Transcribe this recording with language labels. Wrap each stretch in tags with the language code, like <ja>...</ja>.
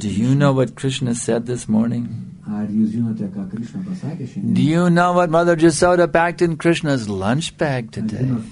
<en>Do you know what Krishna said this morning?</en> <lt>Ar jūs žinote, ką Krishna pasakė šiandien?</lt> <en>Do you know what Mother Jasoda packed in Krishna's lunch bag today?</en>